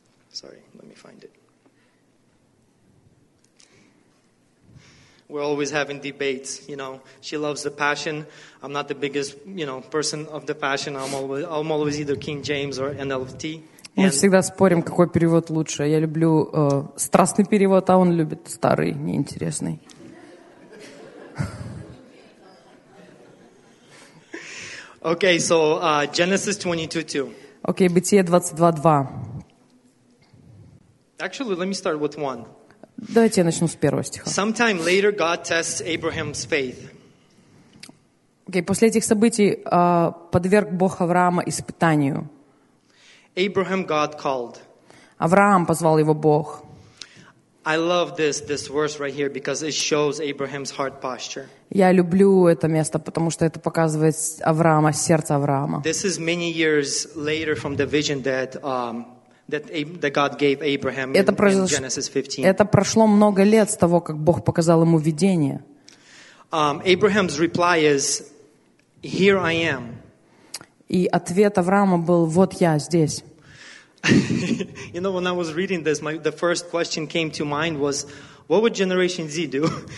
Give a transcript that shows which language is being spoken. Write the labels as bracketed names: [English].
[English] Sorry. We're always having debates, you know. She loves the Passion. I'm not the biggest, you know, person of the Passion. I'm always either King James or NLT. [Russian] Мы всегда спорим, какой перевод лучше. Я люблю страстный перевод, а он любит старый, неинтересный. [English] Okay, so Genesis 22:2. [Russian] Okay, Бытие 22:2. [English] Actually, let me start with one. [Russian] Давайте я начну с первого стиха. [English] Sometime later God tests Abraham's faith. [Russian] Okay, после этих событий подверг Бог Авраама испытанию. [English] Abraham God called. [Russian] Авраам позвал его Бог. [English] I love this verse right here because it shows Abraham's heart posture. [Russian] Я люблю это место, потому что это показывает Авраама, сердце Авраама. [English] This is many years later from the vision that that God gave Abraham in Genesis 15. [Russian] Это прошло много лет с того, как Бог показал ему видение. [English] Abraham's reply is, "Here I am." [Russian] И ответ Авраама был: "Вот я здесь." [English] You know, when I was reading this, the first question came to mind was, "What would Generation Z do?"